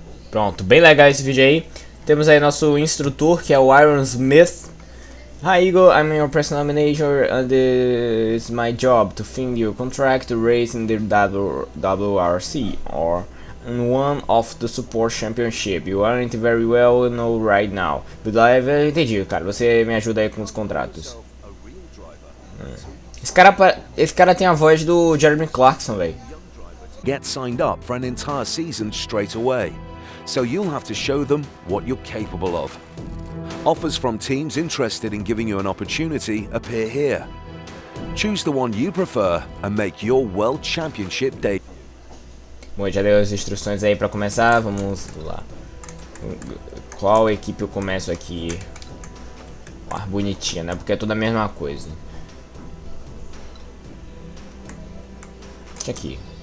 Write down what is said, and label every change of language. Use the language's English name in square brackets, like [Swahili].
[Portuguese] Pronto, bem legal esse vídeo aí. Temos aí nosso instrutor, que é o Iron Smith. [English] Hi Eagle, I'm your personal manager and it's my job to find your contract to race in the WRC or in one of the support championship. You aren't very well know right now. But I've... [Portuguese] Entendi, cara, você me ajuda aí com os contratos. Esse cara tem a voz do Jeremy Clarkson, velho. [English] Get signed up for an entire season straight away. So you'll have to show them what you're capable of. Offers from teams interested in giving you an opportunity appear here. Choose the one you prefer and make your world championship day. [Portuguese] Bom, já deu as instruções aí pra começar, vamos lá. Qual equipe eu começo aqui? Uma bonitinha, né? Porque é tudo a mesma coisa. Aqui.